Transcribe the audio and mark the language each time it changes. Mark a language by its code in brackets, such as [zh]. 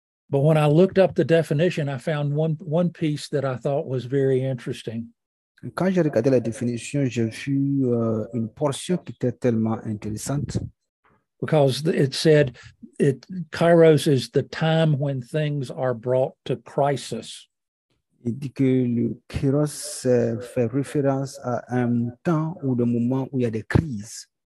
[en] But when I looked up the definition, I found one piece that I thought was very interesting. [fr] Quand j'ai regardé la définition, j'ai vu une portion qui était tellement intéressante. [en] Because it said, Kairos is the time when things are brought to crisis. [fr] Il dit que le Kairos fait référence à un temps ou le moment où il y a des crises.